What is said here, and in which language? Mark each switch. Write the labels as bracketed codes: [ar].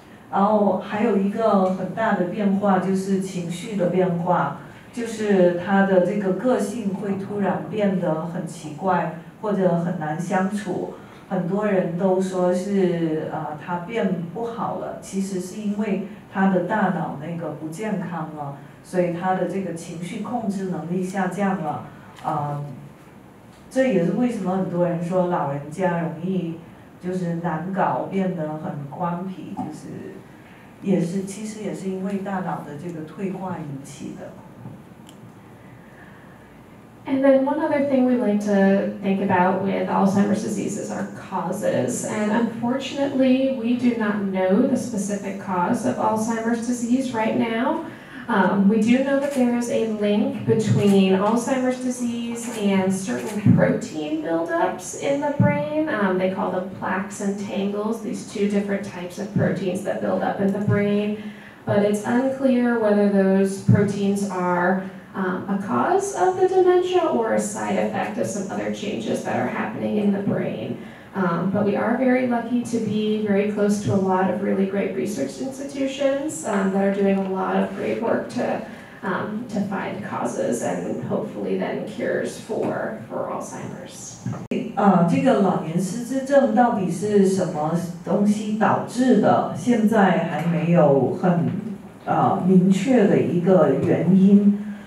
[zh] 然后还有一个很大的变化就是情绪的变化，就是他的这个个性会突然变得很奇怪或者很难相处，很多人都说是他变不好了，其实是因为他的大脑那个不健康了，所以他的这个情绪控制能力下降了。这也是为什么很多人说老人家容易就是难搞，变得很光皮，就是也是其实也是因为大脑的这个退化引起的。 [en] And then one other thing we like to think about with Alzheimer's disease is our causes. And unfortunately, we do not know the specific cause of Alzheimer's disease right now. We do know that there is a link between Alzheimer's disease and certain protein buildups in the brain. They call them plaques and tangles, these two different types of proteins that build up in the brain. But it's unclear whether those proteins are a cause of the dementia or a side effect of some other changes that are happening in the brain. But we are very lucky to be very close to a lot of really great research institutions that are doing a lot of great work to find causes and hopefully then cures for Alzheimer's. [zh] 这个老年失智症到底是什么东西导致的？现在还没有很明确的一个原因。